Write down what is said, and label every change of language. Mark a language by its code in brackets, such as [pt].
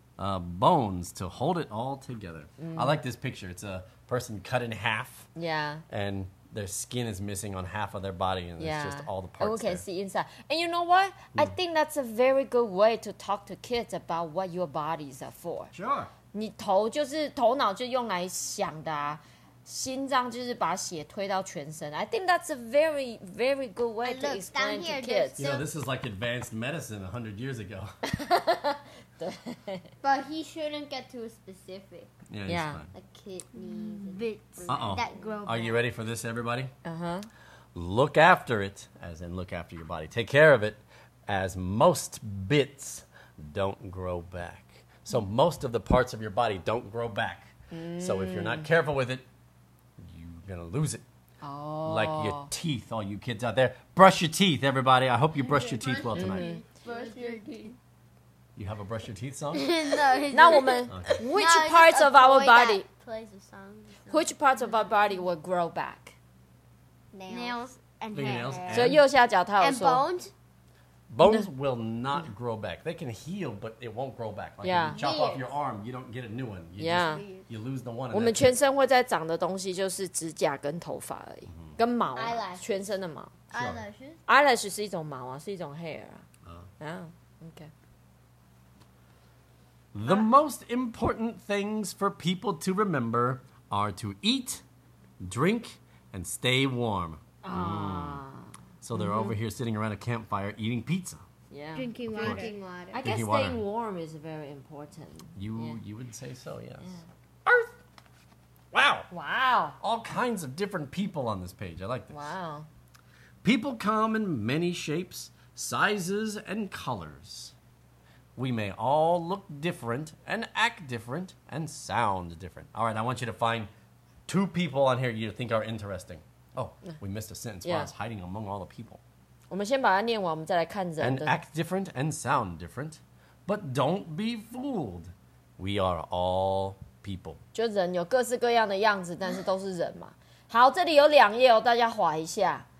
[en] Bones to hold it all together. Mm. I like this picture. It's a person cut in half. Yeah. And their skin is missing on half of their body, and it's just all the parts. And we can see inside. And you know what? Mm. I think that's a very good way to talk to kids about what your bodies are for. Sure. [zh] 你头就是头脑就用来想的啊。心脏就是把血推到全身。 [en] I think that's a very, very good way to explain to kids. You know, this is like advanced medicine 100 years ago. But he shouldn't get too specific. Yeah, he's fine. A kidney. Bits. Uh-oh. That grow back. Are you ready for this, everybody? Uh-huh. Look after it, as in look after your body. Take care of it, as most bits don't grow back. So most of the parts of your body don't grow back. Mm. So if you're not careful with it, gonna lose it. Oh. Like your teeth, all you kids out there. Brush your teeth, everybody. I hope you brush your teeth well tonight. Brush your teeth. You have a brush your teeth song? No. Now, woman, which parts of our body plays a song? Which parts of our body will grow back? Nails and hair. [zh] So, 右下角他有说, [en] bones? Bones will not grow back. They can heal, but it won't grow back. Like if you chop off your arm, you don't get a new one. You lose the one. [zh] 我们全身会在长的东西就是指甲跟头发而已，跟毛啊，全身的毛。 [en] Eyelashes [zh] 是一种毛啊，是一种 hair 啊。Okay. [en] The most important things for people to remember are to eat, drink, and stay warm. So they're over here sitting around a campfire eating pizza. Yeah. Drinking water. I guess staying warm is very important. You would say so, yes. Yeah. Earth! Wow! All kinds of different people on this page. I like this. Wow. People come in many shapes, sizes, and colors. We may all look different and act different and sound different. All right, I want you to find two people on here you think are interesting. Oh, we missed a sentence while I was hiding among all the people. [zh] 我们先把它念完，我们再来看人。 [en] And act different and sound different, but don't be fooled. We are all people. [zh] 就人有各式各样的样子，但是都是人嘛。好，这里有两页哦，大家划一下。